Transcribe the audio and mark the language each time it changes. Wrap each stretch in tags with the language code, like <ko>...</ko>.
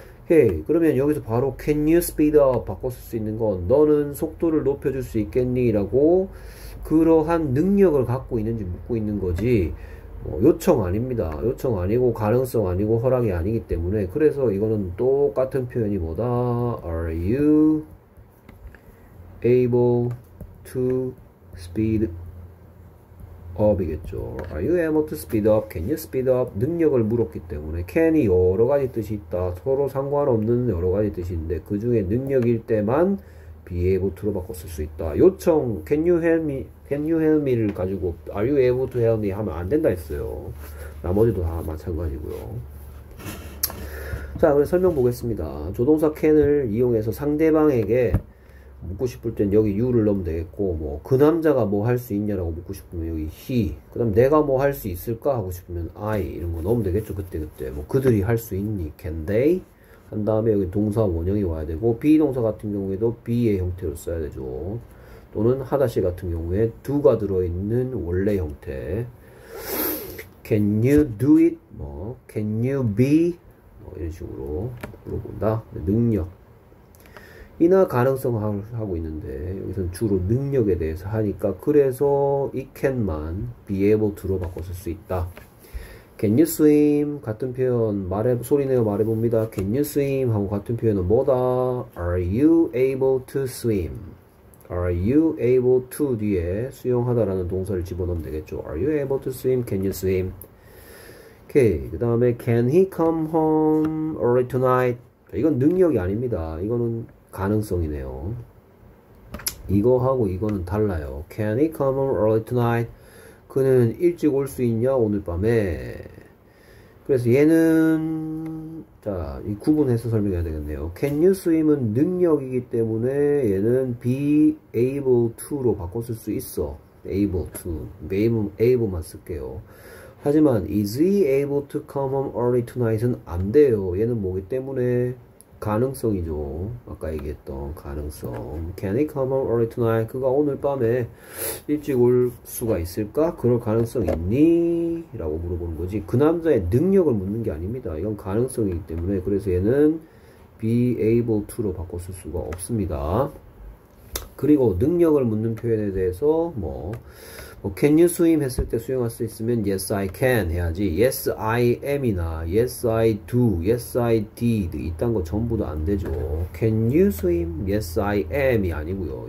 <ko>헤이, 그러면 여기서 바로</ko> <en>Can you speed up?</en> <ko>바꿔 쓸수 있는 건 너는 속도를 높여줄 수 있겠니? 라고 그러한 능력을 갖고 있는지 묻고 있는 거지 요청 아닙니다. 요청 아니고 가능성 아니고 허락이 아니기 때문에 그래서 이거는 똑같은 표현이 뭐다?</ko> <en>Are you able to speed up</en> <ko>이겠죠.</ko> <en>Are you able to speed up? Can you speed up?</en> <ko>능력을 물었기 때문에 can이 여러 가지 뜻이 있다. 서로 상관없는 여러 가지 뜻인데 그 중에 능력일 때만 be able to로 바꿔 쓸수 있다.</ko> <en>요청 can you help me? Can you help me를 가지고 are you able to help me</en> <ko>하면 안 된다 했어요. 나머지도 다 마찬가지고요. 자, 그럼 설명 보겠습니다. 조동사 can을 이용해서 상대방에게 묻고 싶을 땐 여기 you를 넣으면 되겠고, 뭐, 그 남자가 뭐할수 있냐라고 묻고 싶으면 여기 he. 그 다음 내가 뭐할수 있을까 하고 싶으면 I. 이런 거 넣으면 되겠죠. 그때. 뭐, 그들이 할수 있니?</ko> <en>Can they?</en> <ko>한 다음에 여기 동사 원형이 와야 되고, be 동사 같은 경우에도 be의 형태로 써야 되죠. 또는 하다시 같은 경우에 do가 들어있는 원래 형태.</ko> <en>Can you do it?</en> <ko>뭐,</ko> <en>can you be?</en> <ko>뭐, 이런 식으로 물어본다. 능력. 이나 가능성을 하고 있는데 여기서는 주로 능력에 대해서 하니까 그래서 이 can만 be able to로 바꿔 쓸수 있다.</ko> <en>Can you swim?</en> <ko>같은 표현 말해 소리 내어 말해 봅니다.</ko> <en>Can you swim?</en> <ko>하고 같은 표현은 뭐다?</ko> <en>Are you able to swim? Are you able to</en> <ko>뒤에 수영하다라는 동사를 집어넣으면 되겠죠.</ko> <en>Are you able to swim? Can you swim? 오케이. 그 다음에 Can he come home early tonight?</en> <ko>이건 능력이 아닙니다. 이거는 가능성이네요. 이거하고 이거는 달라요.</ko> <en>Can he come early tonight?</en> <ko>그는 일찍 올수 있냐? 오늘 밤에. 그래서 얘는, 자, 이 구분해서 설명해야 되겠네요.</ko> <en>Can you swim</en> <ko>은 능력이기 때문에 얘는 be able to로 바꿔 쓸수 있어.</ko> <en>able to. able만</en> <ko>쓸게요. 하지만</ko> <en>is he able to come home early tonight은</en> <ko>안 돼요. 얘는 뭐기 때문에 가능성이죠. 아까 얘기했던 가능성.</ko> <en>Can he come home early tonight?</en> <ko>그가 오늘 밤에 일찍 올 수가 있을까? 그럴 가능성 있니? 라고 물어보는 거지. 그 남자의 능력을 묻는 게 아닙니다. 이건 가능성이기 때문에. 그래서 얘는 be able to로 바꿔 쓸 수가 없습니다. 그리고 능력을 묻는 표현에 대해서 뭐, Can you swim 했을 때 수영할 수 있으면</ko> <en>Yes, I can</en> <ko>해야지.</ko> <en>Yes, I am이나 Yes, I do, Yes, I did</en> <ko>이딴 거 전부 다안 되죠.</ko> <en>Can you swim? Yes, I am이</en> <ko>아니고요.</ko>